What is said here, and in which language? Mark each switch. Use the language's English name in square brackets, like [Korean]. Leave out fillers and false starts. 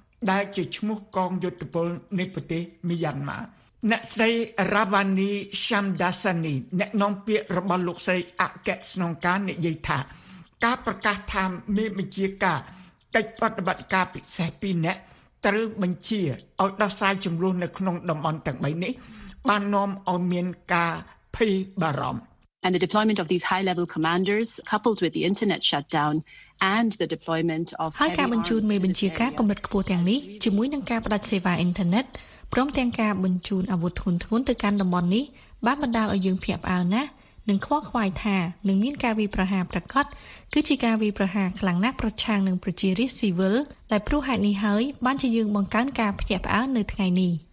[Khmer] ដែលជាឈ្មោះកងយុទ្ធពលនៃប្រទេសមីយ៉ាន់ម៉ាអ្នកស្រីរ៉ាវ៉ានីឆាំដាសានីអ្នកនាំពាក្យរបស់លោកស្រីអគ្គស្នងការនិយាយថាការប្រកាសថាមានបញ្ជាការកិច្ចប្រតិបត្តិការពិសេស2អ្នកត្រូវបញ្ជាឲ្យដោះស្រាយចំនួននៅក្នុងតំបន់ទាំង3នេះបាននាំឲ្យមានការភ័យបារម្ភ [English] And the deployment of these high level commanders coupled with the internet shutdown and the deployment of [Khmer] ហើយការបញ្ជូនមេបញ្ជាការកម្រិតខ្ពស់ទាំងនេះជាមួយនឹងការផ្តាច់សេវាអ៊ីនធឺណិតព្រមទាំងការបញ្ជូនអាវុធធ្ងន់ធ្ងរទៅកាន់តំបន់នេះបានបណ្ដាលឲ្យយើងភ្ញាក់ផ្អើលណាស់និងខ្វល់ខ្វាយថានឹងមានការវាយប្រហារប្រកាសគឺជាការវាយប្រហារខ្លាំងណាស់ប្រឆាំងនឹងប្រជារាស្ត្រស៊ីវិលដែលព្រោះហេតុនេះហើយបានជាយើងបង្កើនការភ្ញាក់ផ្អើលនៅថ្ងៃនេះ